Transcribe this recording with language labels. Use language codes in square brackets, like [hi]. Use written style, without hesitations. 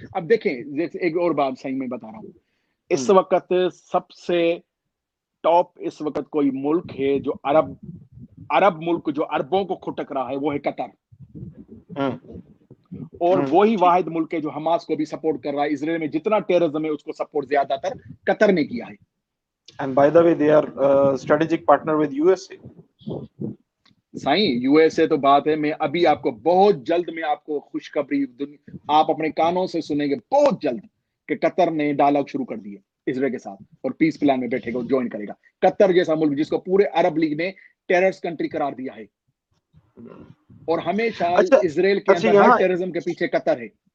[ur] اب دیکھیں ایک اور بات صحیح میں بتا رہا ہوں, اس وقت سب سے ٹاپ اس وقت کوئی ملک ہے جو عرب ملک جو عربوں کو کھٹک رہا ہے وہ ہے قطر, اور وہی واحد ملک ہے جو حماس کو بھی سپورٹ کر رہا ہے. اسرائیل میں جتنا ٹیررزم ہے اس کو سپورٹ زیادہ تر قطر نے کیا ہے. [en] And by the way, they are strategic partner with USA. [ur] سائیں USA تو بات ہے, میں ابھی آپ کو بہت جلد میں آپ کو خوشخبری دنیا آپ اپنے کانوں سے سنیں گے بہت جلد کہ قطر نے ڈائلاگ شروع کر دیے اسرائیل کے ساتھ اور پیس پلان میں بیٹھے گا, جوائن کرے گا. قطر جیسا ملک جس کو پورے عرب لیگ نے ٹیررسٹ کنٹری قرار دیا ہے, اور ہمیشہ اسرائیل کے اندر ٹیررزم کے پیچھے قطر ہے.